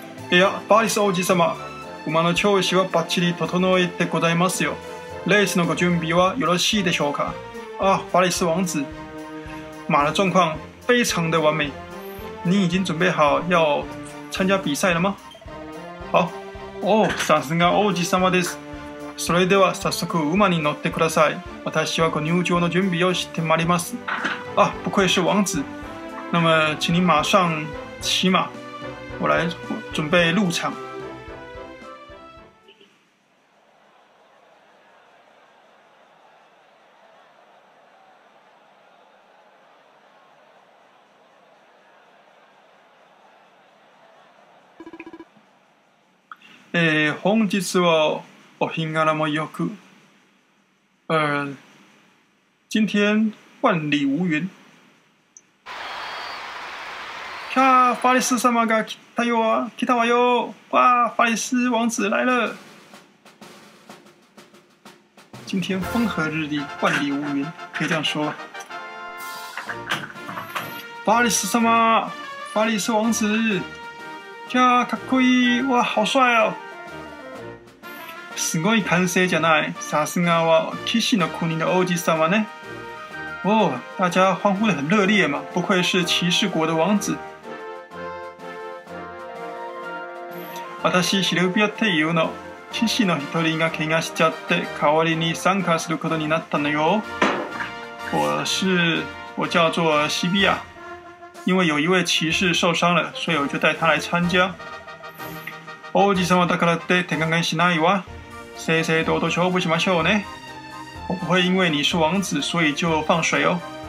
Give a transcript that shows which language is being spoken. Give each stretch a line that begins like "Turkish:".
Japanese: いや、法里斯王子様，馬の調子はバッチリ整えてございますよ。レースのご準備はよろしいでしょうか。
Chinese: 啊，法里斯王子，马的状况非常的完美。你已经准备好要参加比赛了吗？
Japanese: 好。哦，さすが王子様です。それでは早速馬に乗ってください。私はご入場の準備をしてまいります。
Chinese: 啊，不愧是王子。那么，请你马上骑马，我来准备入场。
Japanese: 本日はお日柄もよく。
Chinese: 今天万里无云。
Japanese: キャー、ファリス様が来たよ、来たわよ。
Chinese: 哇，ファリス王子来了。今天风和日丽，万里无云，可以这样说。
Japanese: ファリス様、ファリス王子。キャー、かっこいい。
Chinese: 哇，好帅哦。
Japanese: すごい歓声じゃない。さすがは騎士の国の王子様ね。
Chinese: 哦，大家欢呼得很热烈嘛，不愧是骑士国的王子。
Japanese: 私シルビアっていうの、騎士の一人が怪我しちゃって代わりに参加することになったのよ。
Chinese: 我叫做西比亚，因为有一位骑士受伤了，所以我就带他来参加。
Japanese: 王子様だからって手加減しないわ。正々堂々勝負しましょうね。
Chinese: 我不会因为你是王子所以就放水哦。